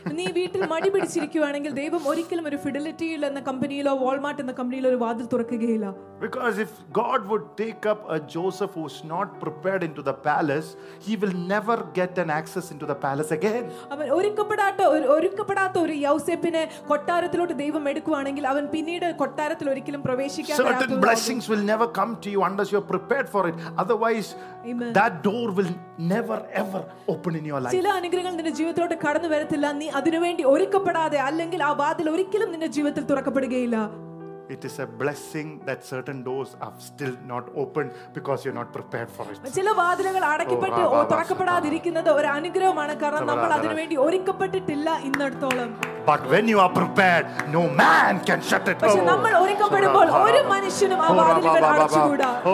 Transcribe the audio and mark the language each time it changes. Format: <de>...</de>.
<ml>നീ വീട്ടിൽ മടി പിടിച്ചിരിക്കുകയാണെങ്കിൽ ദൈവം ഒരിക്കലും ഒരു ഫിഡലിറ്റിയിൽ എന്ന കമ്പനിയിലോ വാൾമാർട്ട് എന്ന കമ്പനിയിലോ ഒരു വാതിൽ തുറക്കുകയില്ല.</ml> <en>Because if God would take up a Joseph who's not prepared into the palace, he will never get an access into the palace again.</en> <ml>അവൻ ഒരുക്കപ്പെടാത്ത ഒരു യോസേഫിനെ കൊട്ടാരത്തിലോട്ട് ദൈവം എടുക്കുകയാണെങ്കിൽ അവൻ പിന്നീട് കൊട്ടാരത്തിൽ ഒരിക്കലും പ്രവേശിക്കാൻ കഴിയാത്ത ഒരു</ml> <en>Certain blessings will never come to you unless you are prepared for it. Otherwise, Amen. That door will never ever open in your life.</en> <ml>ചില അനുഗ്രഹങ്ങൾ നിന്റെ ജീവിതത്തിലോട്ട് കടന്നു വരത്തില്ല നീ അതിനുവേണ്ടി ഒരുക്കപ്പെടാതെ അല്ലെങ്കിൽ ആ വാതിൽ ഒരിക്കലും നിന്റെ ജീവിതത്തിൽ തുറക്കപ്പെടുകയില്ല.</ml> <en>It is a blessing that certain doors are still not opened because you're not prepared for it.</en> <ml>ചില വാതിലുകൾ അടയ്ക്കപ്പെട്ട് തുറക്കപ്പെടാതിരിക്കുന്നത് ഒരു അനുഗ്രഹമാണ് കാരണം നമ്മൾ അതിനുവേണ്ടി ഒരുക്കപ്പെട്ടിട്ടില്ല ഇന്നടത്തോളം.</ml> <en>But when you are prepared, no man can shut it.</en> <ml>പക്ഷേ നമ്മൾ ഒരുക്കപ്പെടുമ്പോൾ ഒരു മനുഷ്യനും ആ വാതിലുകൾ അടച്ചുകൂടാ.</ml>